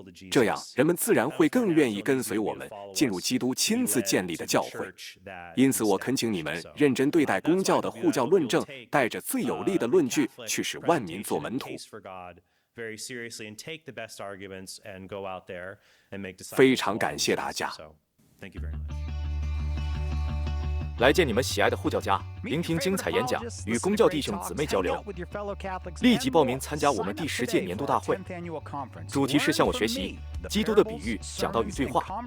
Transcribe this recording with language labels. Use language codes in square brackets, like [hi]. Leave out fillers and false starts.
[zh] 这样，人们自然会更愿意跟随我们，进入基督亲自建立的教会。因此，我恳请你们认真对待公教的护教论证，带着最有力的论据去使万民做门徒。 [en] Very seriously, and take the best arguments and go out there and make decisions. [zh] 非常感谢大家。 [en] So, thank you very much. [zh] 来见你们喜爱的护教家，聆听精彩演讲，与公教弟兄姊妹交流。立即报名参加我们第十届年度大会，主题是向我学习。基督的比喻、讲道与对话。